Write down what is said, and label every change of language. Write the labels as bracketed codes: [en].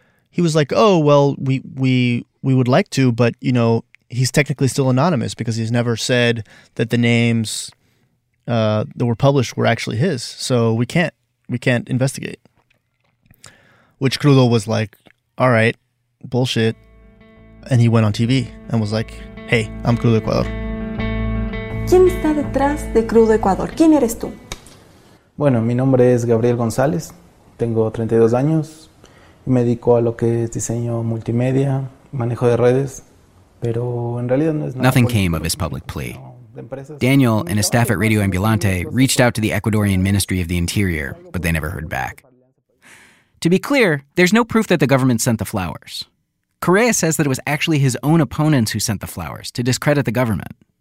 [en] He was like, "Oh, well, we would like to, but, you know, he's technically still anonymous because he's never said that the names that were published were actually his. So we can't investigate." Which Crudo was like, "All right, bullshit." And he went on TV and was like, "Hey, I'm Crudo Ecuador. [es] ¿Quién está detrás de Crudo Ecuador? ¿Quién eres tú?" "Bueno, mi nombre es Gabriel González. Tengo 32 años. Me dedico a lo que es diseño multimedia, manejo de redes. Pero en realidad no es nada." [en] Nothing came of his public plea. Daniel and his staff at Radio Ambulante reached out to the Ecuadorian Ministry of the Interior, but they never heard back. To be clear, there's no proof that the government sent the flowers. Correa says that it was actually his own opponents who sent the flowers to discredit the government.